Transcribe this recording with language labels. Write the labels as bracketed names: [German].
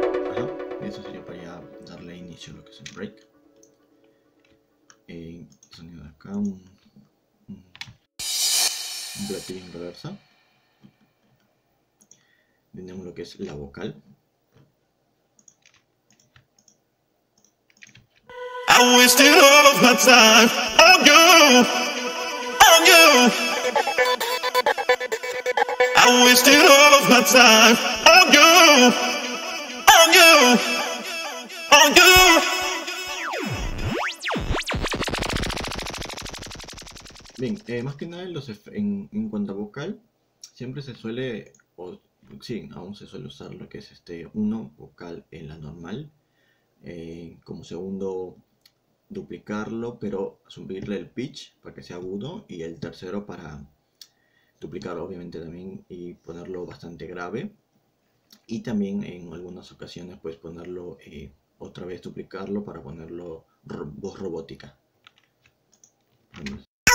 [Spanish] Ajá, eso sería para ya darle inicio a lo que es el break. Sonido de acá. Un platillo en reversa. tenemos lo que es la vocal. [English] I wasted all of my time on you, on you. I wasted all of my time on you, on you, on you. [Spanish] Bien, más que nada en cuanto a vocal, siempre se suele, sí, aún se suele usar lo que es este uno vocal en la normal, como segundo duplicarlo, pero subirle el pitch para que sea agudo, y el tercero para duplicarlo obviamente también y ponerlo bastante grave, y también en algunas ocasiones pues ponerlo, otra vez duplicarlo para ponerlo voz robótica. Vamos.